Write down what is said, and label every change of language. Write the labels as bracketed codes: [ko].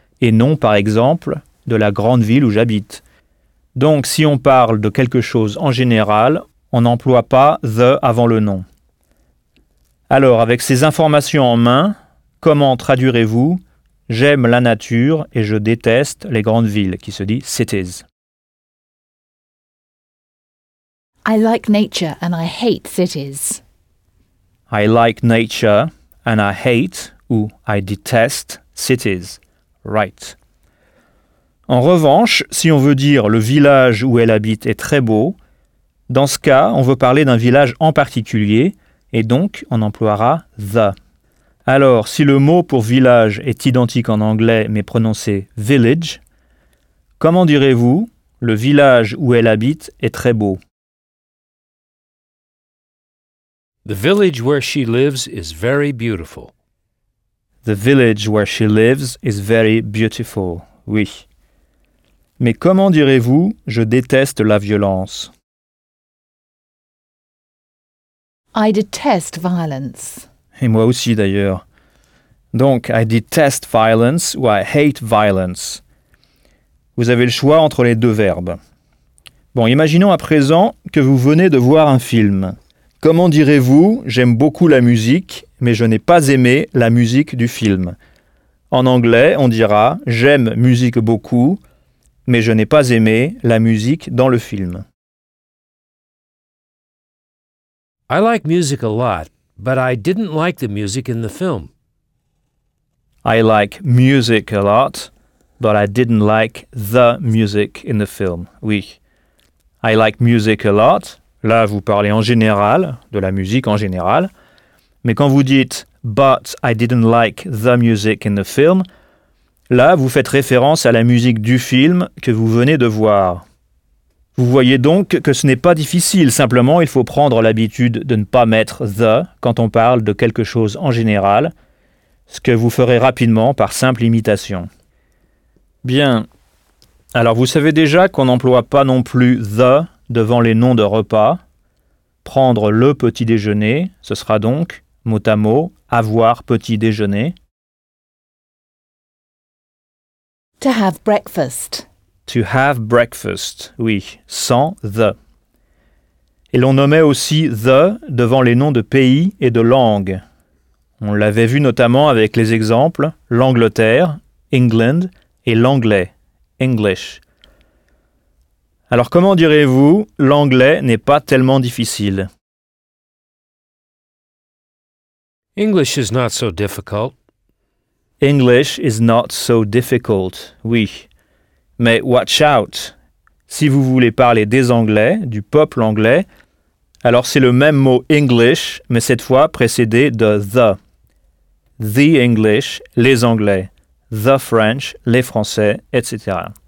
[fr] Et non, par exemple, de la grande ville où j'habite. Donc, si on parle de quelque chose en général, on n'emploie pas the avant le nom. Alors, avec ces informations en main, comment traduirez-vous J'aime la nature et je déteste les grandes villes, qui se dit cities. [en] I like nature and I hate cities. I like nature and I hate ou I detest cities. Right. [fr] En revanche, si on veut dire le village où elle habite est très beau, dans ce cas, on veut parler d'un village en particulier et donc on emploiera the. Alors, si le mot pour village est identique en anglais mais prononcé village, comment direz-vous le village où elle habite est très beau? [en] The village where she lives is very beautiful. The village where she lives is very beautiful. [fr] Oui. Mais comment direz-vous, je déteste la violence? [en] I detest violence. [fr] Et moi aussi d'ailleurs. [en] Donc, I detest violence ou I hate violence. [fr] Vous avez le choix entre les deux verbes. Bon, imaginons à présent que vous venez de voir un film. Comment direz-vous, j'aime beaucoup la musique? Mais je n'ai pas aimé la musique du film. En anglais, on dira j'aime musique beaucoup, mais je n'ai pas aimé la musique dans le film. [en] I like music a lot, but I didn't like the music in the film. I like music a lot, but I didn't like the music in the film. Oui. I like music a lot. [fr] Là, vous parlez en général, de la musique en général. Mais quand vous dites [en] But I didn't like the music in the film, [fr] là vous faites référence à la musique du film que vous venez de voir. Vous voyez donc que ce n'est pas difficile, simplement il faut prendre l'habitude de ne pas mettre the quand on parle de quelque chose en général, ce que vous ferez rapidement par simple imitation. Bien, alors vous savez déjà qu'on n'emploie pas non plus the devant les noms de repas. Prendre le petit déjeuner, ce sera donc, mot à mot, avoir petit déjeuner. [en] To have breakfast. To have breakfast, oui, sans the. [fr] Et l'on nommait aussi the devant les noms de pays et de langues. On l'avait vu notamment avec les exemples l'Angleterre, England, et l'anglais, English. Alors, comment direz-vous, l'anglais n'est pas tellement difficile? [en] English is not so difficult. English is not so difficult, oui. Mais watch out! [fr] Si vous voulez parler des Anglais, du peuple anglais, alors c'est le même mot English, mais cette fois précédé de the. [en] The English, [fr] les Anglais. [en] The French, [fr] les Français, etc.